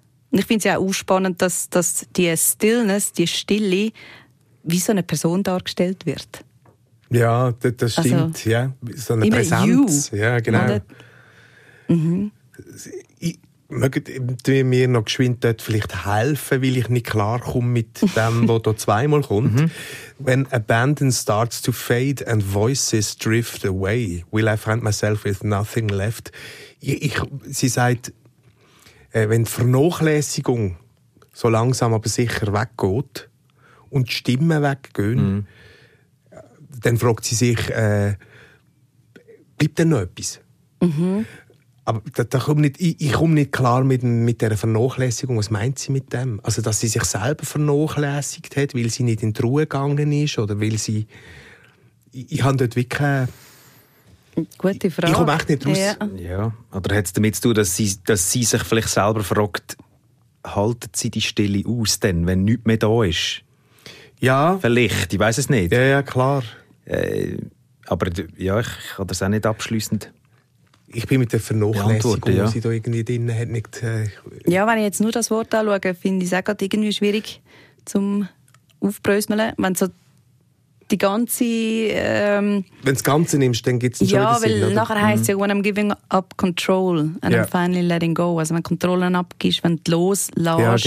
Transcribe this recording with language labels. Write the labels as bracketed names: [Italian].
[German] Und ich finde es ja auch spannend, dass die Stillness, die Stille, wie so eine Person dargestellt wird. Ja, das stimmt. Also, ja. So eine Präsenz. [English] You. [German] Ja, genau. Mögt ihr mir noch geschwind dort vielleicht helfen, weil ich nicht klarkomme mit dem, was da zweimal kommt? Mm-hmm. [English] When abandon starts to fade and voices drift away, will I find myself with nothing left? [German] Sie sagt, wenn die Vernachlässigung so langsam aber sicher weggeht und die Stimmen weggehen, dann fragt sie sich, bleibt denn noch etwas? Aber ich komme nicht klar mit dieser Vernachlässigung. Was meint sie mit dem? Also, dass sie sich selber vernachlässigt hat, weil sie nicht in die Ruhe gegangen ist oder weil sie... Ich habe dort wirklich... Gute Frage. Ich komme echt nicht raus. Ja. Oder hat es damit zu tun, dass sie sich vielleicht selber fragt, haltet sie die Stille aus, denn, wenn nichts mehr da ist? Ja. Vielleicht, ich weiß es nicht. Ja, klar. Aber ja, ich kann das auch nicht abschliessend. Ich bin mit der Vernachlässigung, die sie da irgendwie drin hat, nicht... Ja, wenn ich jetzt nur das Wort anschaue, finde ich es auch gerade irgendwie schwierig zum Aufbröseln. Wenn so die ganze... Wenn du das Ganze nimmst, dann gibt es schon wieder Sinn, oder? Nachher heisst es ja, [English] when I'm giving up control and I'm finally letting go. [German] Also wenn du Kontrollen abgibst, wenn du loslässt.